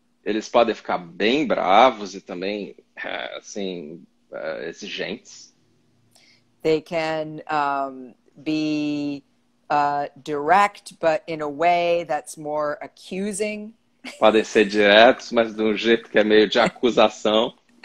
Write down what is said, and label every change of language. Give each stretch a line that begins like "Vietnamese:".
Portuguese: Eles podem ficar bem bravos e também, assim, exigentes.
English: They can be direct, but in a way that's more accusing.
Portuguese: Podem ser diretos, mas de um jeito que é meio de acusação.